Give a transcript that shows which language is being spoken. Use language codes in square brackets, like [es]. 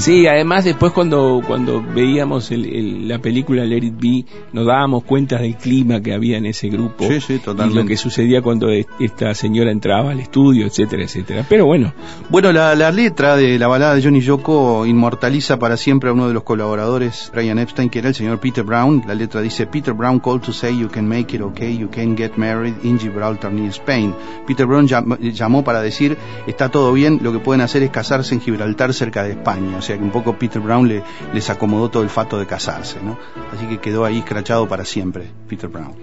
[es] Sí, además después cuando veíamos la película Let It Be, nos dábamos cuenta del clima que había en ese grupo. Sí, sí, totalmente. Y lo que sucedía cuando esta señora entraba al estudio, etcétera, etcétera. Pero bueno. Bueno, la letra de la balada de John y Yoko inmortaliza para siempre a uno de los colaboradores, Brian Epstein, que era el señor Peter Brown. [en] La letra dice: Peter Brown called to say you can make it okay, you can get married in Gibraltar near Spain. [es] Peter Brown llamó para decir, está todo bien, lo que pueden hacer es casarse en Gibraltar cerca de España. O sea que un poco Peter Brown les acomodó todo el fato de casarse, ¿no? Así que quedó ahí escrachado para siempre Peter Brown.